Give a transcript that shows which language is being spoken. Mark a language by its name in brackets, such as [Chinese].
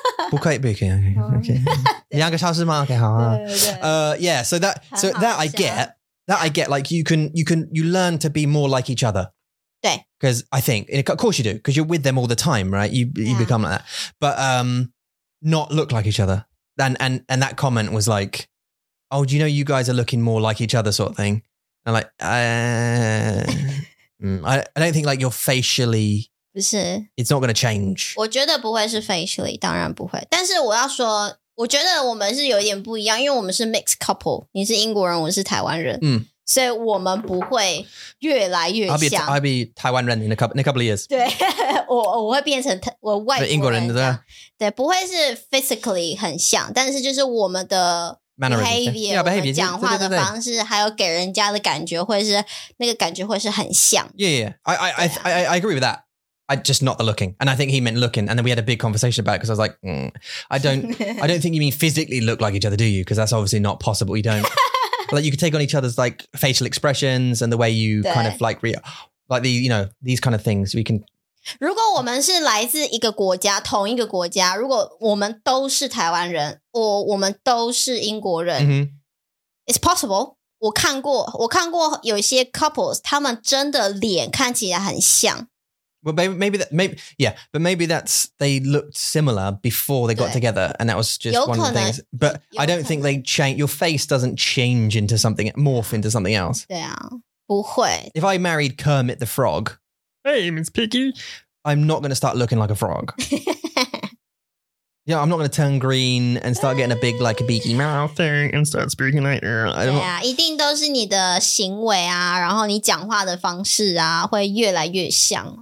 [Chinese] 不可以，不可以。两个小时吗？ [English] OK， [Chinese] 好啊。 [English] Yeah, so that I get. That I get, like you learn to be more like each other. [Chinese] 对. [English] Because I think, of course you do, because you're with them all the time, right? You become like that. But not look like each other. And that comment was like, oh, do you know you guys are looking more like each other sort of thing? And I'm like, I don't think like you're facially, [Chinese] 不是. [English] It's not going to change. [Chinese] 我觉得不会是 facially, 当然不会。但是我要说, 我觉得我们是有点不一样，因为我们是 [English] mixed couple， [Chinese] 你是英国人，我是台湾人，所以我们不会越来越像。 [English] I'll be [Chinese] 台湾人 [English] in a couple of years. [Chinese] 对，我会变成我外国人。英国人对。对，不会是 physically 很像，但是就是我们的 [English] behavior, [Chinese] 我们讲话的方式，还有给人家的感觉，会是那个感觉会是很像。 [English] Yeah, I agree with that. I just not the looking. And I think he meant looking. And then we had a big conversation about it because I was like, I don't think you mean physically look like each other, do you? Because that's obviously not possible. You don't. Like you could take on each other's like facial expressions and the way you kind of like, like the, you know, these kind of things we can. [Chinese] 如果我们是来自一个国家同一个国家如果我们都是台湾人或我们都是英国人、 mm-hmm. [English] It's possible. [Chinese] 我看过有一些 couples, 他们真的脸看起来很像。 [English] Well, maybe that's, they looked similar before they got together and that was just one of the things. But I don't think they change, your face doesn't change into something, morph into something else. [Chinese] 对啊,不会。 [English] If I married Kermit the Frog, hey, it's Piggy, I'm not going to start looking like a frog. Yeah, I'm not going to turn green and start getting a big, like, a beaky mouth thing and start speaking like, I don't know. [Chinese] Yeah, 一定都是你的行为啊,然后你讲话的方式啊,会越来越像。